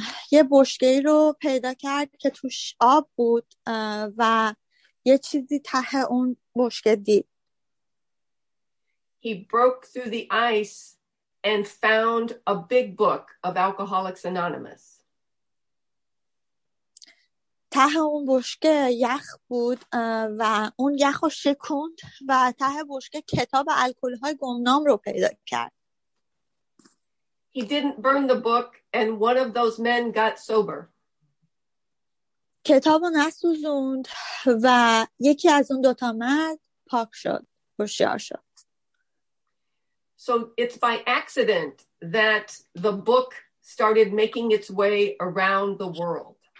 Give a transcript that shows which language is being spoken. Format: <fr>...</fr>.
<fa>یه بشکه‌ای رو پیدا کرد که توش آب بود و یه چیزی ته اون بشکه دید.</fa> <en>He broke through the ice and found a big book of Alcoholics Anonymous.</en> <fa>ته اون بشکه یخ بود و اون یخ رو شکوند و ته بشکه کتاب الکل‌های گمنام رو پیدا کرد.</fa> <en>He didn't burn the book and one of those men got sober.</en> <fa>کتاب رو نسوزوند و یکی از اون دوتا مرد پاک شد، هوشیار شد.</fa> <en>So it's by accident that the book started making its way around the world.</en>